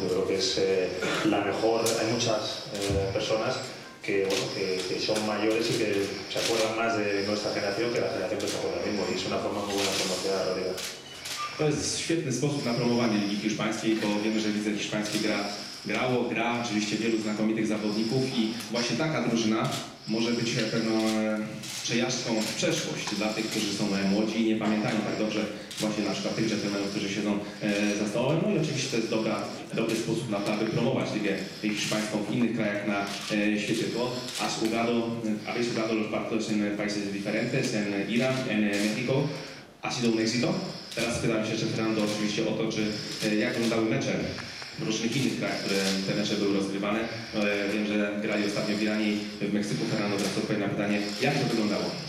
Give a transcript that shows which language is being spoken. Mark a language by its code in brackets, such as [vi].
[es] Yo creo que es la mejor. Hay muchas personas que, bueno, que son mayores y que se acuerdan más de nuestra generación que la generación que se acuerda mismo, y es una forma muy buena de promocionar la liga. [pl] To jest świetny sposób na promowanie Ligi Hiszpańskiej, bo wiemy, że Lidze Hiszpańskiej gra oczywiście wielu znakomitych zawodników i właśnie taka drużyna może być pewną przejażdżką w przeszłość dla tych, którzy są młodzi i nie pamiętają tak dobrze właśnie na przykład tych dżentelmenów, którzy siedzą za stołem. No i oczywiście to jest dobry sposób na to, aby promować Ligę Hiszpańską w innych krajach na świecie. [es] To habéis jugado los partidos en países diferentes, en Irán, en México. Ha sido un éxito. [pl] Teraz pytam się jeszcze Fernando oczywiście o to, czy jak wyglądały mecze w różnych innych krajach, które te mecze były rozgrywane. Wiem, że grali ostatnio w Iranie w Meksyku. Fernando, teraz odpowiem na pytanie, jak to wyglądało?